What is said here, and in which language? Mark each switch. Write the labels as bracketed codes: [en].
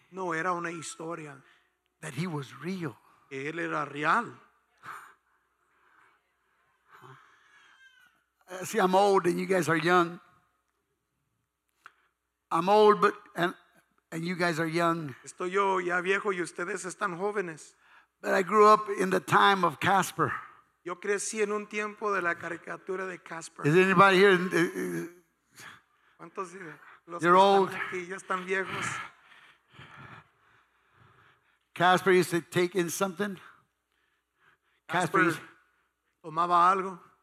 [es] No, era una historia. [en] That he was real. [es] Él era real. [en] See, I'm old and you guys are young. I'm old, but and you guys are young. [es] Estoy yo ya viejo y ustedes están jóvenes. [en] But I grew up in the time of Casper. [es] Yo crecí en un tiempo de la caricatura de Casper. [en] Is anybody here? [es] ¿Cuántos los [en] you're old. [es] Aquí ya están viejos? [en] Casper used to take in something. [es] Casper tomaba algo.